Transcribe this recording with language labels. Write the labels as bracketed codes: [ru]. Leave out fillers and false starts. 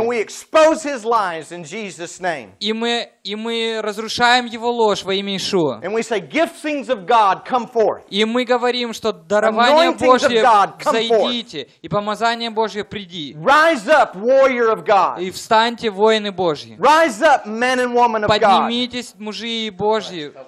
[en] And we expose his lies in Jesus' name. [ru] И мы разрушаем его ложь во имя Иешуа. [en] And we say, "Give things of God, come forth." [ru] И мы говорим, что дарование Божье зайдите, и помазание Божье приди. [en] Rise up, warrior of God. [ru] И встаньте, воины Божьи. [en] Rise up, men and women of God. [ru] Поднимитесь, мужи и Божьи.